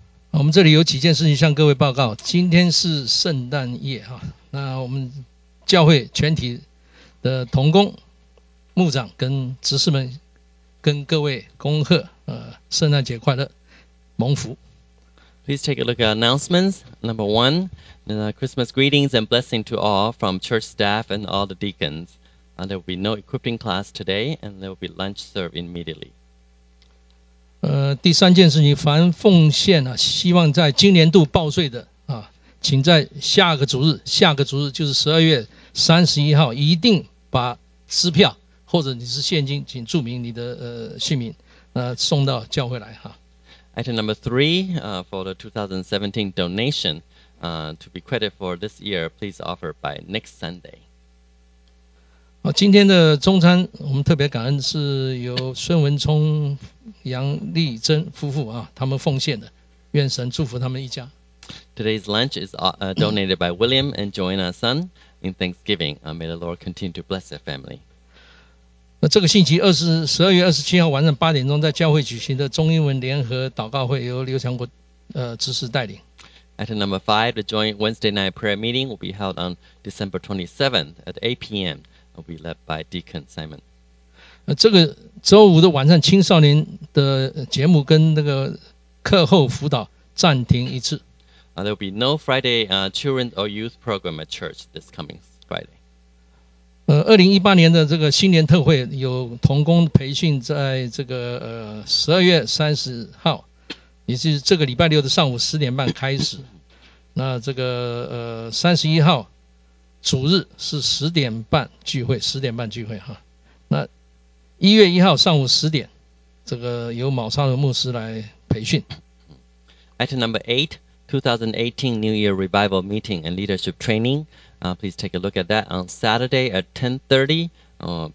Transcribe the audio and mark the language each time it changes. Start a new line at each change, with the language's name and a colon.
Chinese: 我们这里有几件事情向各位报告。今天是圣诞夜，那我们教会全体的同工、牧长跟执事们跟各位恭贺，圣诞节快乐，蒙福。
English: Please take a look at announcements. Number one, the Christmas greetings and blessing to all from church staff and all the deacons. There will be no equipping class today, and there will be lunch served immediately.
Chinese: 第三件事情，凡奉献啊，希望在今年度报税的啊，请在下个主日，下个主日就是12月31号，一定把支票或者你是现金，请注明你的姓名，送到教会来哈。
English: Item number three, for the 2017 donation, to be credited for this year, please offer by next Sunday.
Chinese: 好，今天的中餐我们特别感恩是由孙文聪、杨丽珍夫妇啊，他们奉献的，愿神祝福他们一家。
English: Today's lunch is donated by William and Joanna Sun in Thanksgiving. May the Lord continue to bless their family.
Chinese: 那这个星期12月27号晚上8点在教会举行的中英文联合祷告会，由刘强国执事带领。
English: At number 5, the joint Wednesday night prayer meeting will be held on December 27th at 8 p.m. It will be led by Deacon Simon.
Chinese: 这个周五的晚上青少年的节目跟那个课后辅导暂停一次。
English: There will be no Friday children or youth program at church this coming Friday.
Chinese: 2018年的这个新年特会有同工培训在这个12月30号。也是这个礼拜六的上午10:30开始，那这个31号主日是10:30聚会，哈。那1月1号上午10点，这个由卯昌的牧师来培训。
English: At number 8, 2018 New Year Revival Meeting and Leadership Training, please take a look at that on Saturday at 10:30.